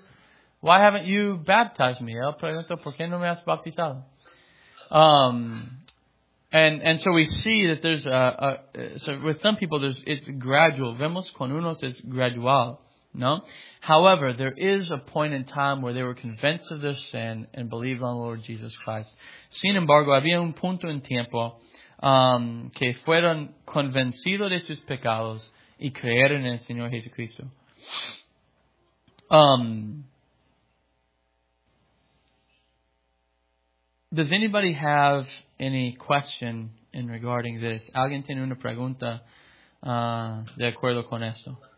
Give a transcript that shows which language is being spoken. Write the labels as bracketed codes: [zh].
[en] He asked, why haven't you baptized me? [es] Él pregunto, ¿por qué no me has bautizado? [en] And so we see that there's so with some people it's gradual. [es] Vemos con unos es gradual, no? [en] However, there is a point in time where they were convinced of their sin and believed on the Lord Jesus Christ. [es] Sin embargo, había un punto en tiempo que fueron convencidos de sus pecados y creyeron en el Señor Jesucristo. [en] Does anybody have any question in regarding this? [es] ¿Alguien tiene una pregunta de acuerdo con esto?